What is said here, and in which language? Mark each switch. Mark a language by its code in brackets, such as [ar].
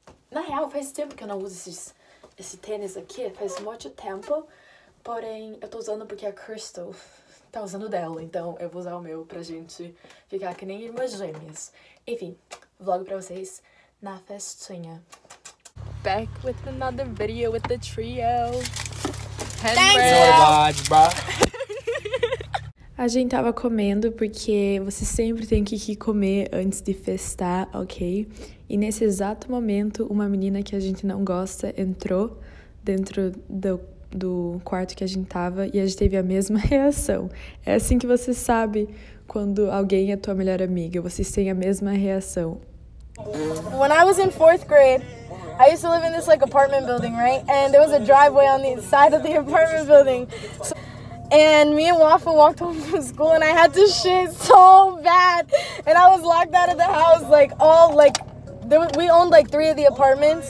[pt] Na real, faz tempo que eu não uso esse tênis aqui, faz muito tempo, porém eu tô usando porque a Crystal tá usando dela, então eu vou usar o meu pra gente ficar que nem irmãs gêmeas. Enfim, vlog pra vocês na festinha. [en] Back with another video with the trio. Thanks, bro. [pt] A gente tava comendo porque você sempre tem que comer antes de festar, ok? E nesse exato momento, uma menina que a gente não gosta entrou dentro do quarto que a gente tava e a gente teve a mesma reação. É assim que você sabe quando alguém é tua melhor amiga, vocês têm a mesma reação. [en] When I was in fourth grade, I used to live in this like apartment building, right? And there was a driveway on the side of the apartment building. So And me and Waffle walked home from school and I had to shit so bad. And I was locked out of the house, like, all, like, there was, we owned, like, three of the apartments.